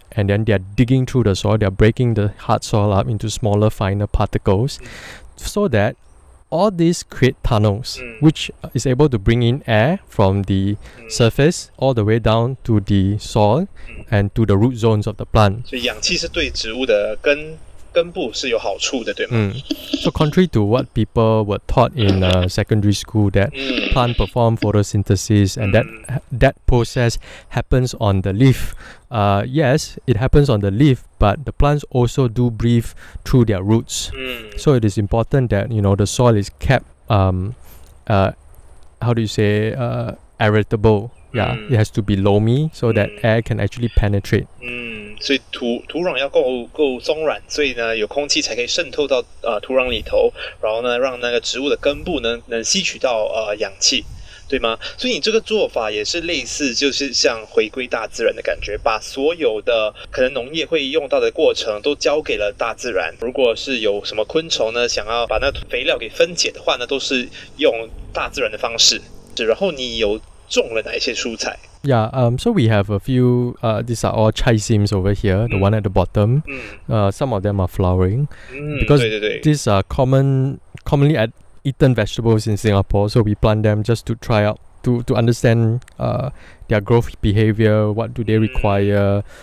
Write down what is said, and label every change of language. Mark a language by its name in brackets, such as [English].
[English] And then they are digging through the soil. They are breaking the hard soil up into smaller, finer particles, so that all these create tunnels, which is able to bring in air from the surface all the way down to the soil and to the root zones of the plant. [Chinese] 所以氧气是对植物的根部是有好处的，对吗？ [English] So contrary to what people were taught in secondary school, that plant perform photosynthesis and that process happens on the leaf. Yes, it happens on the leaf, but the plants also do breathe through their roots. So it is important that, you know, the soil is kept aeratable. It has to be loamy so that air can actually penetrate. [Chinese] 所以土壤要够松软，所以呢有空气才可以渗透到土壤里头，然后呢让那个植物的根部能吸取到氧气，对吗？所以你这个做法也是类似，就是像回归大自然的感觉，把所有的可能农业会用到的过程都交给了大自然。如果是有什么昆虫呢想要把那肥料给分解的话呢，都是用大自然的方式。然后你有种了哪一些蔬菜？ [English] So we have a few, these are all chai sims over here, the one at the bottom. Some of them are flowering. Because these are commonly eaten vegetables in Singapore, so we plant them just to try out, to understand their growth behavior, what do they require.